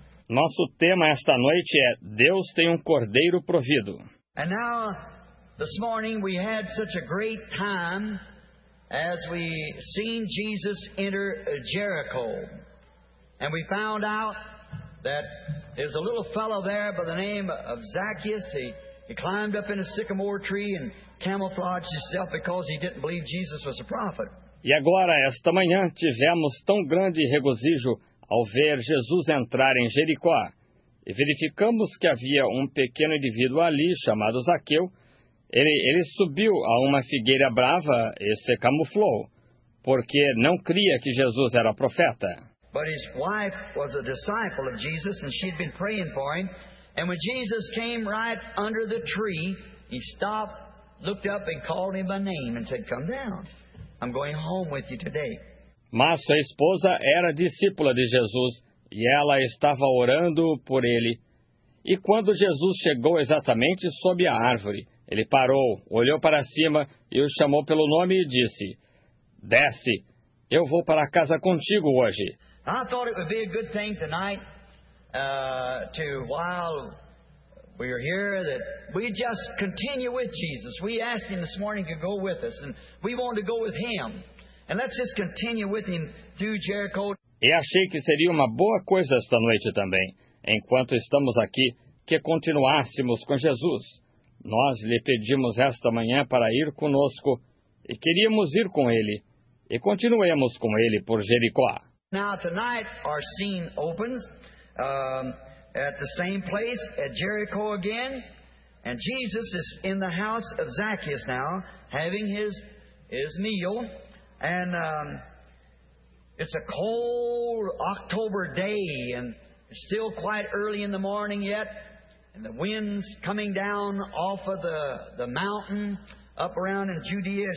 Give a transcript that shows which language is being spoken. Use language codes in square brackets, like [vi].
[pt] Nosso tema esta noite é Deus tem cordeiro provido. [en] And now, this morning we had such a great time as we seen Jesus enter Jericho. And we found out that there's a little fellow there by the name of Zacchaeus. He climbed up in a sycamore tree and camouflaged himself because he didn't believe Jesus was a prophet. [pt] E agora, esta manhã, tivemos tão grande regozijo ao ver Jesus entrar em Jericó. E verificamos que havia um pequeno indivíduo ali, chamado Zaqueu. Ele subiu a uma figueira brava e se camuflou, porque não cria que Jesus era profeta. [en] But his wife was a disciple of Jesus, and she'd been praying for him. And when Jesus came right under the tree, he stopped, looked up and called him by name and said, "Come down. I'm going home with you today." [pt] Mas sua esposa era discípula de Jesus e ela estava orando por ele. E quando Jesus chegou exatamente sob a árvore, ele parou, olhou para cima e o chamou pelo nome e disse: "Desce. Eu vou para casa contigo hoje." [en] I thought it would be a good thing tonight to while we are here that we just continue with Jesus. We asked him this morning to go with us, and we want to go with him. And let's just continue with him through Jericho. [pt] E achei que seria uma boa coisa esta noite também, enquanto estamos aqui, que continuássemos com Jesus. Nós lhe pedimos esta manhã para ir conosco, e queríamos ir com ele, e continuemos com ele por Jericó. [en] Now tonight our scene opens at the same place at Jericho again, and Jesus is in the house of Zacchaeus now having his meal, and it's a cold October day and it's still quite early in the morning yet, and the wind's coming down off of the mountain up around in Judea.